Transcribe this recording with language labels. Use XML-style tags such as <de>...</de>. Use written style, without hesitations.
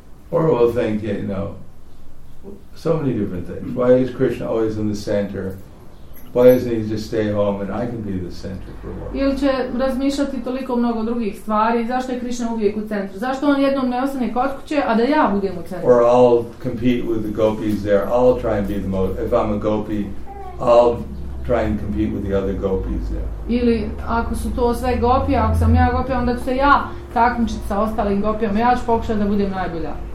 <en>Or we'll think, you know, so many different things. Why is Krishna always in the center? Why doesn't he just stay home and I can be the center for a while?</en> <hr>Ili će razmišljati toliko mnogo drugih stvari. Zašto je Krishna uvijek u centru? Zašto on jednom ne ostane kod kuće, a da ja budem u centru?</hr> <en>Or I'll compete with the gopis there. I'll try and be the most. If I'm a gopi, I'll try and compete with the other gopis there.</en> <hr>Ili ako su to sve gopi, ako sam ja gopi, onda ću se ja takmičiti sa ostalim gopijom. Ja ću pokušati da budem najbolja.</hr>